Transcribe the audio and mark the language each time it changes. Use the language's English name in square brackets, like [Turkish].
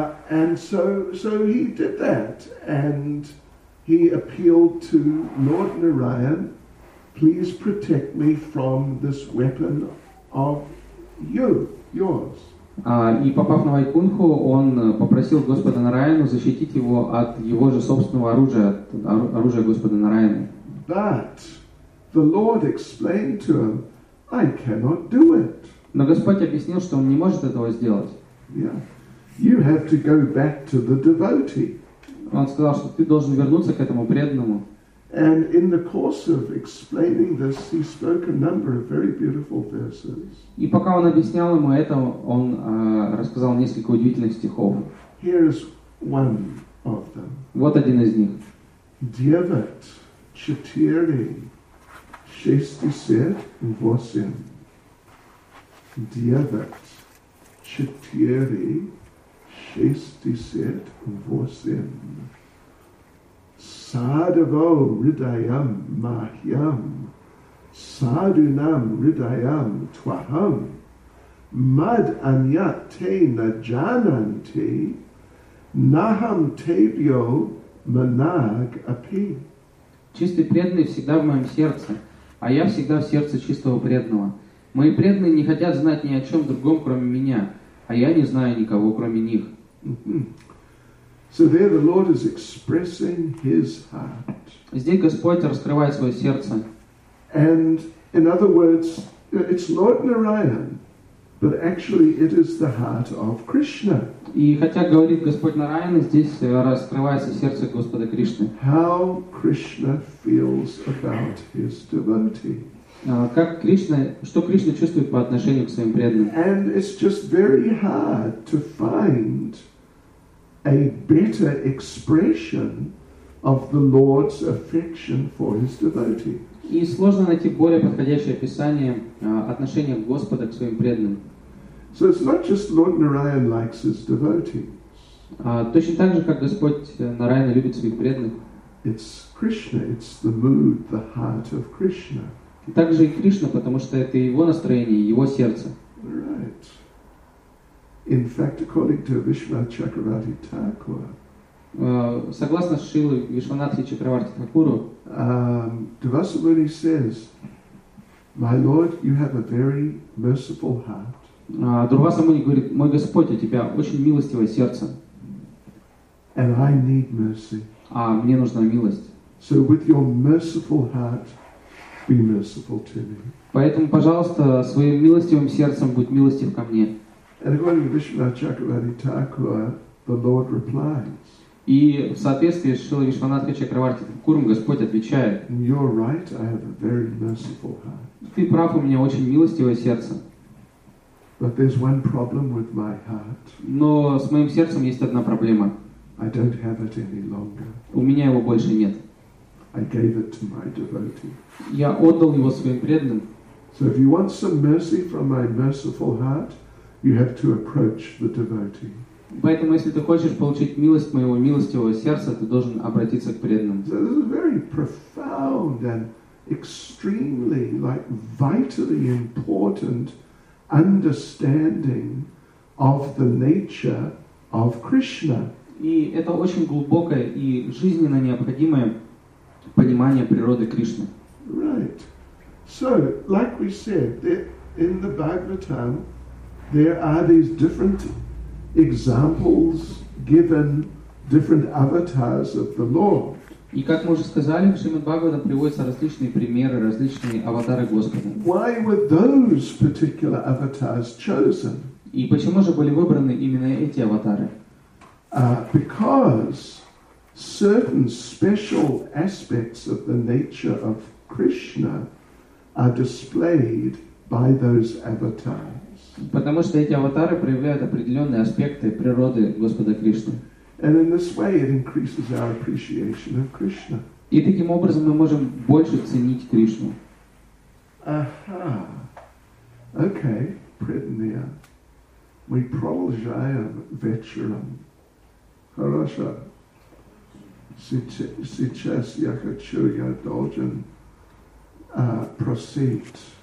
[English] And so he did that, and he appealed to Lord Narayan, please protect me from this weapon of yours. [Russian] И попав на Вайкунху, он попросил Господа Нараяну защитить его от его же собственного оружия, оружия Господа Нараяны. [English] But the Lord explained to him, I cannot do it. [Russian] Но Господь объяснил, что он не может этого сделать. [English] Yeah. You have to go back to the devotee. [Russian] Он сказал, что ты должен вернуться к этому преданному. [English] And in the course of explaining this, he spoke a number of very beautiful verses. [Russian] И пока он объяснял ему это, он рассказал несколько удивительных стихов. [English] Here is one of them. [Russian] Вот один из них. Девят четыре шестьдесят восемь. Девят четыре шестьдесят восемь. [Sanskrit] Садаво ридаям махьям, садунам ридаям твахам, мад аньят те на джананте, нахам тебьо манаг апи. [Russian] Чистый преданный всегда в моем сердце, а я всегда в сердце чистого преданного. Мои преданные не хотят знать ни о чем другом, кроме меня, а я не знаю никого, кроме них. [English] So there the Lord is expressing his heart. [Russian] Здесь Господь раскрывает свое сердце. [English] And in other words, it's Lord Narayan, but actually it is the heart of Krishna. [Russian] И хотя говорит Господь Нараяна, здесь раскрывается сердце Господа Кришны. [English] How Krishna feels about his devotee. [Russian] Что Кришна чувствует по отношению к своим преданным. [English] And it's just very hard to find a better expression of the Lord's affection for his devotee. [Russian] И сложно найти более подходящее описание отношения Господа к своим преданным. [English] So it's not just Lord Narayan likes his devotees. [Russian] Точно так же, как Господь Нараяна любит своих преданных. [English] It's Krishna, it's the mood, the heart of Krishna. [Russian] И также и Кришна, потому что это его настроение, его сердце. [English] Right. In fact, according to Vishwanath Chakravarti Thakur, [Russian] согласно Шрилы Вишванатхи Чакраварти Такуру, [English] Devasamuni says, "My Lord, you have a very merciful heart." [Russian] Дурвасамуни говорит, мой Господь, у тебя очень милостивое сердце. [English] And I need mercy. [Russian] А мне нужна милость. [English] So with your merciful heart, be merciful to me. [Russian] Поэтому, пожалуйста, своим милостивым сердцем будь милостив ко мне. [English] And according to Vishwanath Chakravarti Thakura, the Lord replies. [Russian] И в соответствии с Шрилой Вишванатхи Чакраварти Такуром Господь отвечает. [English] You're right, I have a very merciful heart. [Russian] Ты прав, у меня очень милостивое сердце. [English] But there's one problem with my heart. [Russian] Но с моим сердцем есть одна проблема. [English] I don't have it any longer. [Russian] У меня его больше нет. [English] I gave it to my devotee. [Russian] Я отдал его своим преданным. [English] So if you want some mercy from my merciful heart, you have to approach the devotee. [Russian] Поэтому, если ты хочешь получить милость моего милостивого сердца, ты должен обратиться к преданным. [English] So this is very profound and extremely, like, vitally important understanding of the nature of Krishna. [Russian] И это очень глубокое и жизненно необходимое понимание природы Кришны. [English] Right. So, like we said, in the Bhagavatam, there are these different examples given, different avatars of the Lord. [Russian] И как мы уже сказали, в Шримад-Бхагаватам приводятся различные примеры, различные аватары Господа. [English] Why were those particular avatars chosen? [Russian] И почему же были выбраны именно эти аватары? [English] Because certain special aspects of the nature of Krishna are displayed by those avatars. [Russian] Потому что эти аватары проявляют определенные аспекты природы Господа Кришны. [English] And in this way it increases our appreciation of Krishna. [Russian] И таким образом мы можем больше ценить Кришну. [English] Aha. Okay, Pridnya. [Russian] Мы продолжаем вечером. Хорошо. Сейчас я хочу, я должен просить.